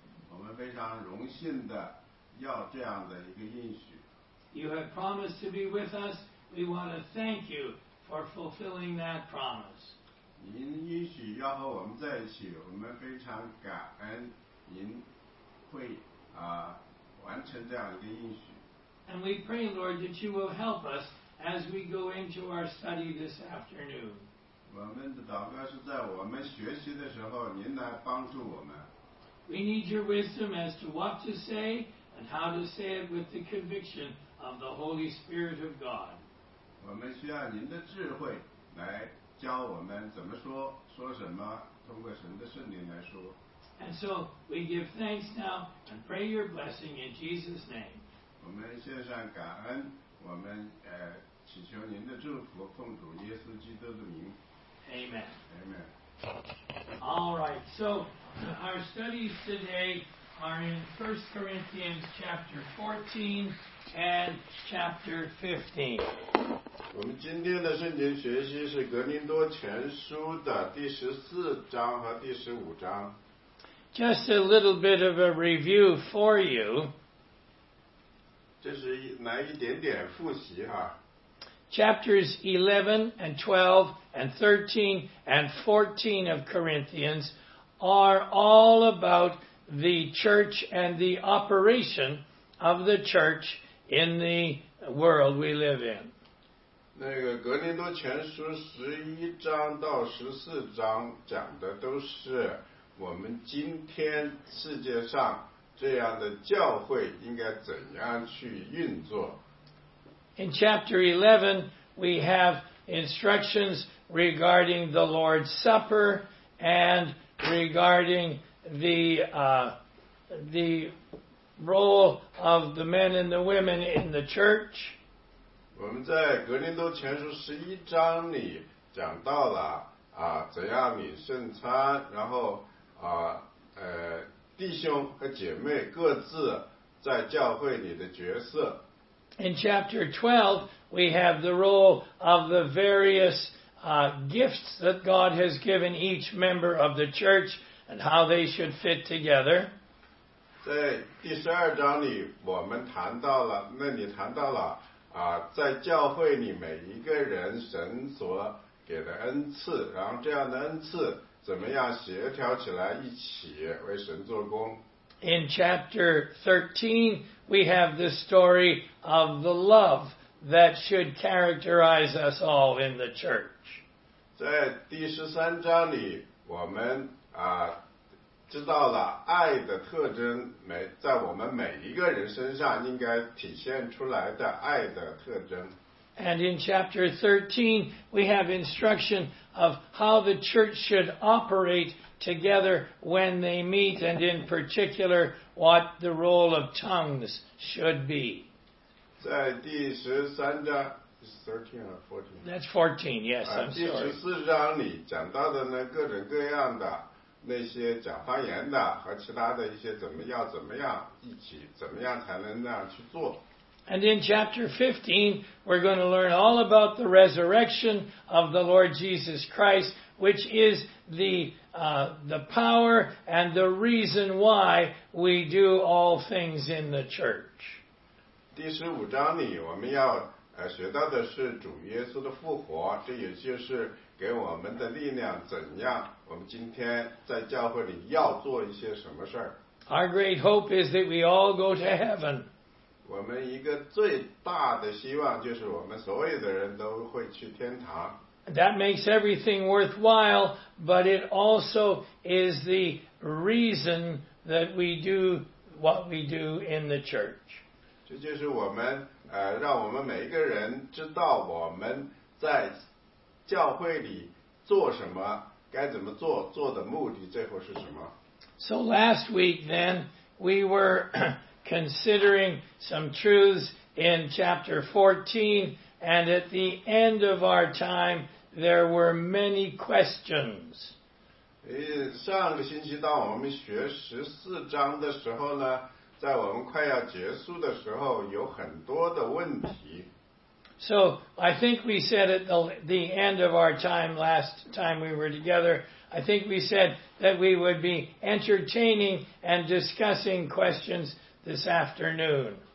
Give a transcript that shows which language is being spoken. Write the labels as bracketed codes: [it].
[zh] 我们非常荣幸的要这样的一个应许。 [en] You have promised to be with us. We want to thank you for fulfilling that promise. [zh] 您应许要和我们在一起，我们非常感恩您会啊完成这样一个应许。 [en] And we pray, Lord, that you will help us as we go into our study this afternoon. [zh] 我们的祷告是在我们学习的时候，您来帮助我们。 [en] We need your wisdom as to what to say and how to say it with the conviction of the Holy Spirit of God. [zh] 我们需要您的智慧来教我们怎么说，说什么，通过神的圣灵来说。 [en] And so we give thanks now and pray your blessing in Jesus' name. [zh] 我们献上感恩，我们祈求您的祝福，奉主耶稣基督的名。 [en] Amen. Amen. All right, so our studies today are in 1 Corinthians chapter 14 and chapter 15. [zh] 我们今天的圣经学习是格林多前书的第十四章和第十五章。 [en] Just a little bit of a review for you. [zh] 这是来一点点复习哈。 [en] Chapters 11 and 12 and 13 and 14 of Corinthians are all about the church and the operation of the church in the world we live in. [zh] 那个格林多前书十一章到十四章讲的都是我们今天世界上这样的教会应该怎样去运作。 [en] In chapter 11, we have instructions regarding the Lord's Supper and regarding the role of the men and the women in the church. [zh] 我们在格林多前书十一章里讲到了啊，怎样领圣餐，然后啊，弟兄和姐妹各自在教会里的角色。 [en] In chapter 12, we have the role of the various gifts that God has given each member of the church and how they should fit together. [zh] 在第十二章里，我们谈到了，那里谈到了在教会里每一个人神所给的恩赐，然后这样的恩赐怎么样协调起来一起为神做工。 [en] In chapter 13, we have the story of the love that should characterize us all in the church. [zh] 在第十三章里，我们知道了爱的特征，在我们每一个人身上应该体现出来的爱的特征。 [en] And in chapter 13, we have instruction of how the church should operate together when they meet, and in particular, what the role of tongues should be. 在第十三章 ,13 or 14? That's 14, yes, I'm sorry. [zh] 第十四章里讲到的呢，各种各样的那些讲方言的和其他的一些怎么样一起，怎么样才能那样去做。 [en] And in chapter 15, we're going to learn all about the resurrection of the Lord Jesus Christ, which is the power and the reason why we do all things in the church. [zh] 第十五章里我们要学到的是主耶稣的复活，这也就是给我们的力量，怎样我们今天在教会里要做一些什么事。 [en] Our great hope is that we all go to heaven. [zh] 我们一个最大的希望就是我们所有的人都会去天堂。 [en] That makes everything worthwhile, but it also is the reason that we do what we do in the church. [zh] 这就是我们让我们每一个人知道我们在教会里做什么，该怎么做，做的目的最后是什么。 [en] So last week then, we were considering some truths in chapter 14, and at the end of our time, there were many questions. [zh] 上个星期当我们学十四章的时候呢，在我们快要结束的时候有很多的问题。 [en] So I think we said at the end of our time last time we were together, I think we said that we would be entertaining and discussing questions this afternoon.